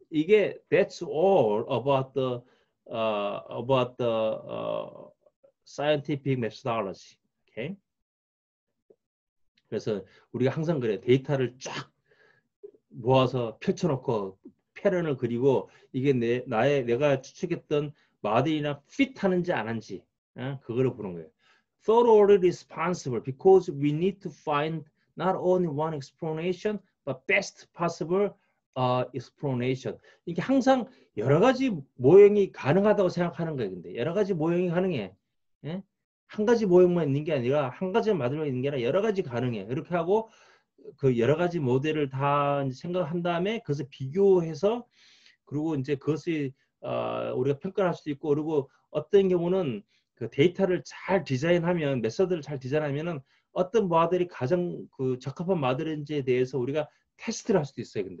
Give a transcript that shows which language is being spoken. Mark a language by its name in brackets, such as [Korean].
[Korean] 이게 [English] that's all about the scientific methodology. 오케이? [Korean] 그래서 우리가 항상 그래 데이터를 쫙 모아서 펼쳐놓고 패턴을 그리고 이게 내가 추측했던 마들이나 핏하는지 안 하는지 그거를 보는 거예요. [English] Thoroughly responsible because we need to find not only one explanation but best possible explanation. [Korean] 이게 항상 여러 가지 모형이 가능하다고 생각하는 거예요. 근데 여러 가지 모형이 가능해. 예? 한 가지 모형만 있는 게 아니라 한 가지 마들만 있는 게 아니라 여러 가지 가능해. 이렇게 하고 그 여러 가지 모델을 다 생각한 다음에 그것을 비교해서 그리고 이제 그것을 우리가 평가할 수도 있고 그리고 어떤 경우는 그 데이터를 잘 디자인하면 메서드를 잘 디자인하면은 어떤 모델이 가장 그 적합한 모델인지에 대해서 우리가 테스트를 할 수도 있어요.